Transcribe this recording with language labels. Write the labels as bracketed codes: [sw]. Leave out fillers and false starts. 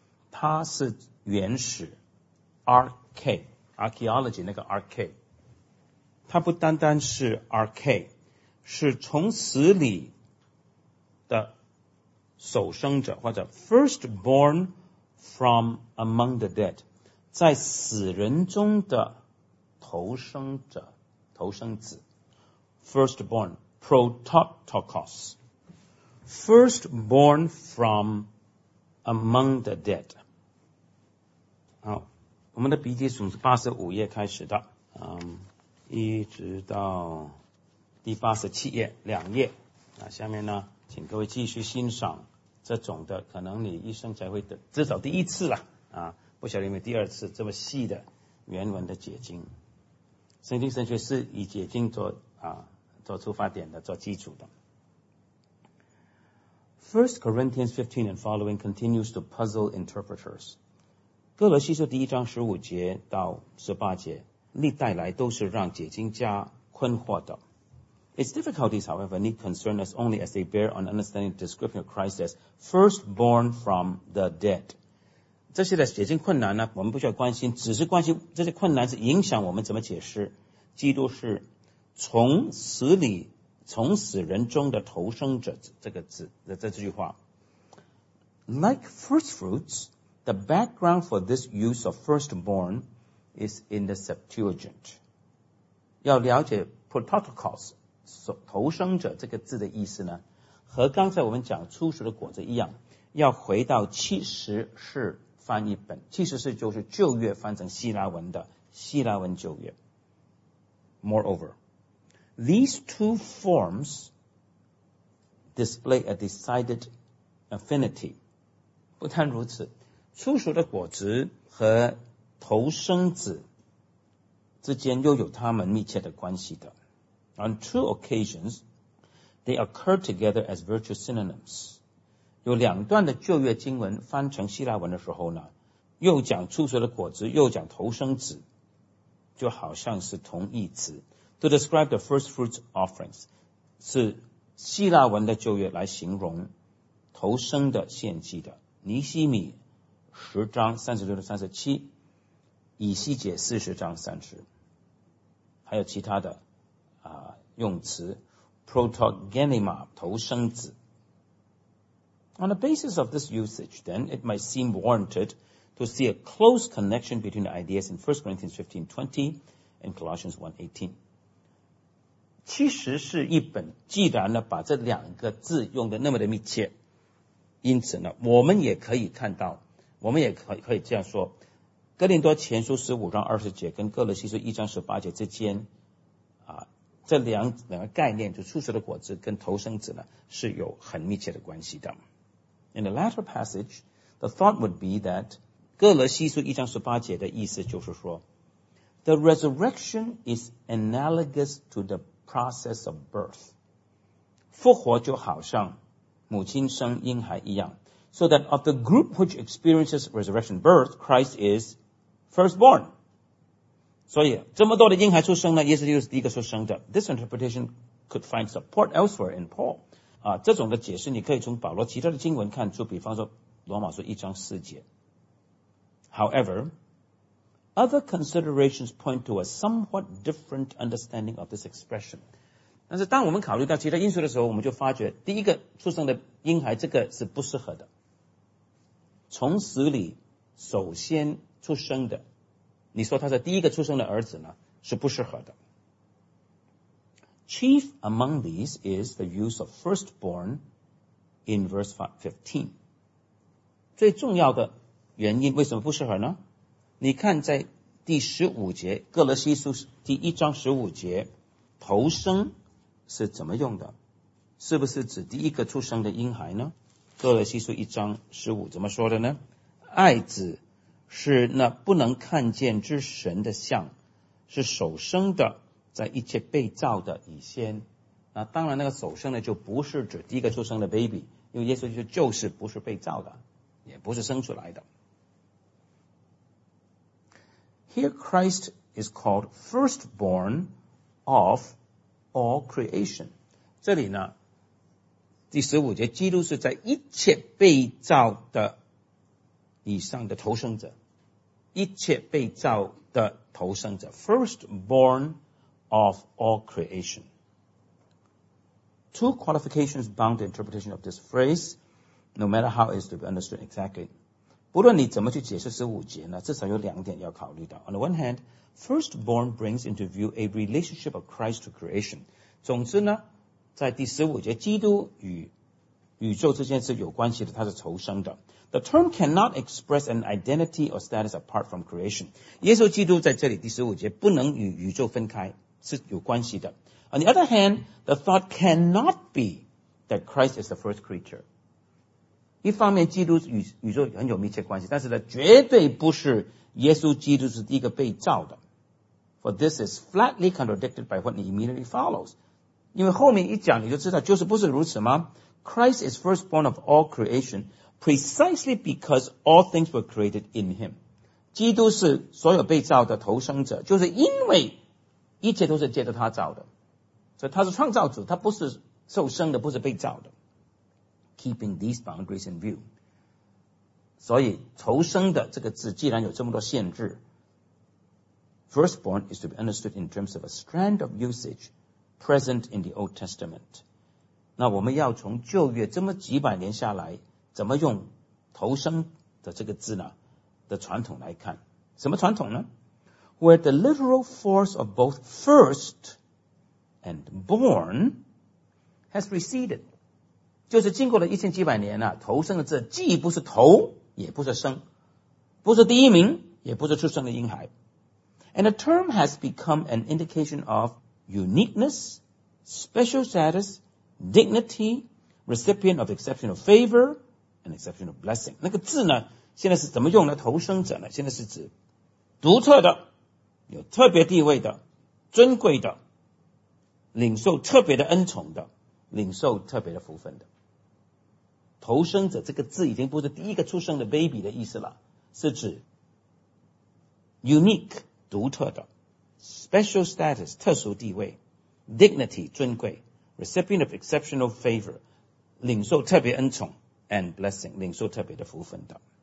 [zh] 他是原始 ，RK archaeology 那个 RK， 他不单单是 RK， 是从死里的首生者，或者 firstborn。 [en] From among the dead， [zh] 在死人中的头生者，头生子 [en] ，firstborn prototokos， firstborn from among the dead， [zh] 好，我们的笔记从85页开始的，一直到第87页，两页。那下面呢，请各位继续欣赏这种的，可能你一生才会的，至少第一次了啊，不晓得有没有第二次这么细的原文的解经。圣经神学是以解经做啊做出发点的，做基础的。 [en] First Corinthians 15 and following continues to puzzle interpreters. [zh] 哥罗西书第一章15节到18节历代来都是让解经家困惑的。 [en] Its difficulties, however, need concern us only as they bear on understanding the description of Christ as firstborn from the dead. [zh] 这些的解经困难呢，我们不需要关心，只是关心这些困难是影响我们怎么解释基督是从死里从死人中的头生者这个字的这句话。 [en] Like firstfruits, the background for this use of firstborn is in the Septuagint. [zh] 要了解 prototokos 头生者这个字的意思呢，和刚才我们讲初熟的果子一样，要回到七十世翻译本。七十世就是旧约翻成希腊文的希腊文旧约。 [en] Moreover,These two forms display a decided affinity. [zh] 不但如此，初熟的果子和头生子之间又有他们密切的关系的。 [en] On two occasions, they occur together as virtue synonyms. [zh] 有两段的旧约经文翻成希腊文的时候呢，又讲初熟的果子，又讲头生子，就好像是同义词。 [en] To describe the first fruits offerings, [zh] 是希腊文的旧约来形容头生的献祭的。尼希米10:36-37，以西结40:30，还有其他的啊用词 ,protogenema, 头生子。 [en] On the basis of this usage, then, it might seem warranted to see a close connection between the ideas in 1 Corinthians 15:20 and Colossians 1:18. [zh] 其实是一本既然呢把这两个字用得那么的密切，因此呢我们也可以看到，我们也可以这样说，哥林多前书15:20跟哥罗西书1:18之间啊，这两个概念，就初熟的果子跟头生子呢，是有很密切的关系的。 [en] In the latter passage, the thought would be that [zh] 哥罗西书1:18的意思就是说， [en] The resurrection is analogous to theprocess of birth. [zh] 复活就好像母亲生婴孩一样。 [en] So that of the group which experiences resurrection birth, Christ is firstborn. [zh] 所以这么多的婴孩出生呢，耶稣就是第一个出生的。 [en] This interpretation could find support elsewhere in Paul. [zh] 啊，这种的解释你可以从保罗其他的经文看出，比方说罗马书1:4。 [en] However,Other considerations point to a somewhat different understanding of this expression. [zh] 但是当我们考虑到其他因素的时候，我们就发觉第一个出生的婴孩这个是不适合的。从死里首先出生的，你说他是第一个出生的儿子呢，是不适合的。 [en] Chief among these is the use of firstborn in verse 15. [zh] 最重要的原因为什么不适合呢？你看在第十五节哥罗西书第一章十五节头生是怎么用的，是不是指第一个出生的婴孩呢？哥罗西书1:15怎么说的呢？爱子是那不能看见之神的像，是首生的，在一切被造的以先。那当然那个首生的就不是指第一个出生的 baby， 因为耶稣就是不是被造的，也不是生出来的。 [en] Here Christ is called firstborn of all creation. [zh] 这里呢，第十五节，基督是在一切被造的以上的头生者，一切被造的头生者 ， [en] firstborn of all creation. Two qualifications bound the interpretation of this phrase, no matter how it is to be understood exactly. [zh] 不论你怎么去解释十五节呢，至少有两点要考虑到。 [en] On the one hand, firstborn brings into view a relationship of Christ to creation. [zh] 总之呢，在第十五节，基督与宇宙之间是有关系的，它是重生的。 [en] The term cannot express an identity or status apart from creation. [zh] 耶稣基督在这里第十五节不能与宇宙分开，是有关系的。 [en] On the other hand, the thought cannot be that Christ is the first creature. [zh] 一方面基督与宇宙很有密切关系，但是呢，绝对不是耶稣基督是第一个被造的。 [en] For this is flatly contradicted by what immediately follows. [zh] 因为后面一讲你就知道，就是不是如此吗？ [en] Christ is firstborn of all creation precisely because all things were created in him. [zh] 基督是所有被造的头生者，就是因为一切都是借着他造的。所以他是创造主，他不是受生的，不是被造的。 [en] Keeping these boundaries in view. [zh] 所以头生的这个字既然有这么多限制， [en] Firstborn is to be understood in terms of a strand of usage present in the Old Testament. [zh] 那我们要从旧约这么几百年下来，怎么用头生的这个字呢？的传统来看，什么传统呢？ [en] Where the literal force of both first and born has receded. [zh] 就是经过了一千几百年啊，头生的字既不是头，也不是生，不是第一名，也不是出生的婴孩。 [en] And the term has become an indication of uniqueness, special status, dignity, recipient of exceptional favor, and exceptional blessing. [zh] 那个字呢，现在是怎么用呢？头生者呢，现在是指独特的，有特别地位的，尊贵的，领受特别的恩宠的，领受特别的福分的。头生者这个字已经不是第一个出生的 baby 的意思了，是指 unique,独特的 , [en] special status, [zh] 特殊地位 ,dignity, 尊贵 , [en] recipient of exceptional favor, [zh] 领受特别恩宠 ,and blessing, 领受特别的福分的。